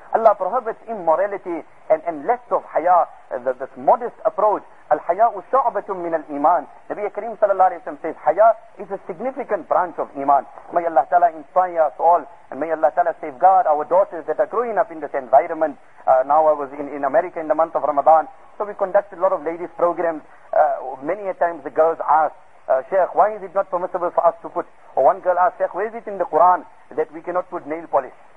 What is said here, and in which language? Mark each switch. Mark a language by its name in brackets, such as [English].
[English] Allah prohibits immorality and less of haya, this modest approach. [Arabic] الحياء شعبة من الإيمان. نبي كريم صلى الله عليه وسلم [English] says حياء is a significant branch of إيمان. May Allah Ta'ala inspire us all and may Allah Ta'ala safeguard our daughters that are growing up in this environment. Now I was in America in the month of Ramadan, so we conduct conducted a lot of ladies' programs. Many a times the girls ask, Sheikh, why is it not permissible for us to put? Or one girl asked, Sheikh, where is it in the Quran that we cannot put nail polish?